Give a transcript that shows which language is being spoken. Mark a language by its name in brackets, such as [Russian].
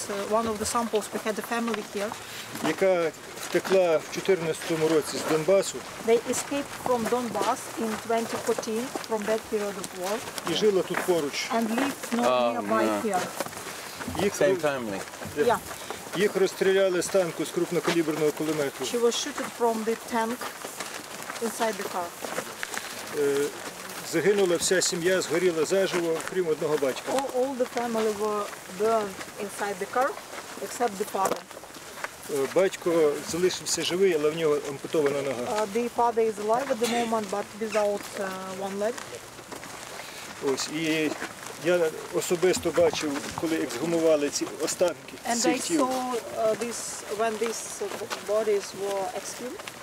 [English] One of the samples, we had a family here, [Ukrainian] яка втекла в 2014 році з Донбасу. [English] They escaped from Donbass in 2014 from that period of war. [Ukrainian] І жила тут поруч. [English] And lived not nearby here. [Ukrainian] Їх [English] same family. Yeah. [Ukrainian] Їх розстріляли з танку з крупнокаліберного кулемету. [English] She was shot from the tank inside the car. [Ukrainian] Загинула вся сім'я, згоріла заживо, окрім одного батька. [English] All the family were burned inside the car, except the father. [Ukrainian] Батько залишився живий, але в нього ампутована нога. [English] The father is alive at the moment, but without one leg. [Ukrainian] Ось, і я особисто бачив, коли ексгумували ці останки цих тіл. [English] And I saw this when these bodies were exhumed.